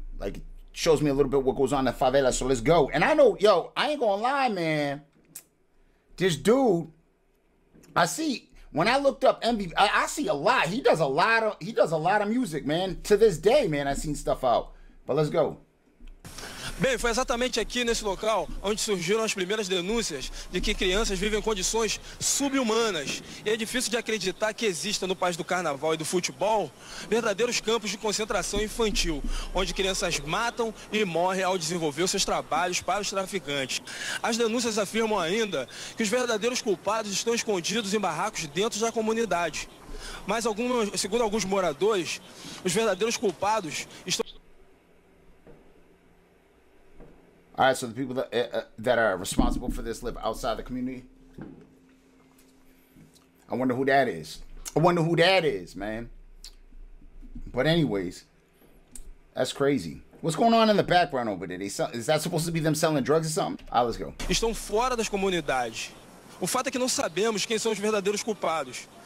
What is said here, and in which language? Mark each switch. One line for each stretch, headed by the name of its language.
English: Like, it shows me a little bit what goes on in the favela. So, let's go. And I know, yo, I ain't gonna lie, man. This dude, I see, when I looked up MVP, I see a lot. He does a lot of music, man. To this day, man, I seen stuff out. But let's go.
Portuguese: Bem, foi exatamente aqui nesse local onde surgiram as primeiras denúncias de que crianças vivem em condições subhumanas. E é difícil de acreditar que exista no país do carnaval e do futebol verdadeiros campos de concentração infantil, onde crianças matam e morrem ao desenvolver seus trabalhos para os traficantes. As denúncias afirmam ainda que os verdadeiros culpados estão escondidos em barracos dentro da comunidade. Mas, segundo alguns moradores, os verdadeiros culpados estão...
English: All right, so the people that are responsible for this live outside the community. I wonder who that is. I wonder who that is, man. But anyways, that's crazy. What's going on in the background over there? Is that supposed to be them selling drugs or something? All right, let's go.
Portuguese: Estão fora das comunidades. O fato é que não sabemos quem são os verdadeiros culpados.